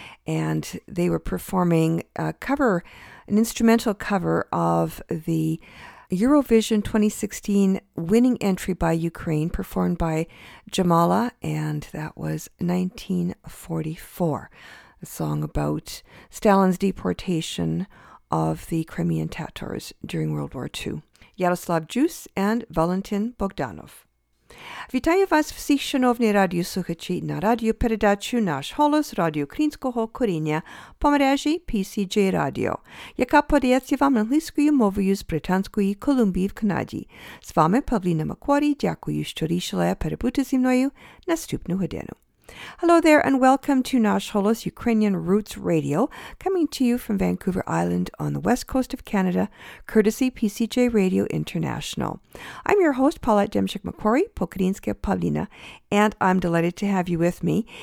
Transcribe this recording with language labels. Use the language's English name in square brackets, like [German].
[English] And they were performing a cover, an instrumental cover of the Eurovision 2016 winning entry by Ukraine, performed by Jamala, and that was 1944, a song about Stalin's deportation of the Crimean Tatars during World War II. Yaroslav Juice and Valentin Bogdanov. [Ukrainian] Вітаю вас всіх, шановні радіослухачі, на радіопередачу «Наш голос» радіо українського коріння по мережі PCJ Radio, яка подається вам англійською мовою з Британської Колумбії в Канаді. З вами Павліна Макворі. Дякую, що рішили перебути зі мною наступну годину. [English] Hello there and welcome to Nash Holos Ukrainian Roots Radio, coming to you from Vancouver Island on the west coast of Canada, courtesy PCJ Radio International. I'm your host, Paulette Demchik-McQuarrie, Pokrinska Pavlina, and I'm delighted to have you with me.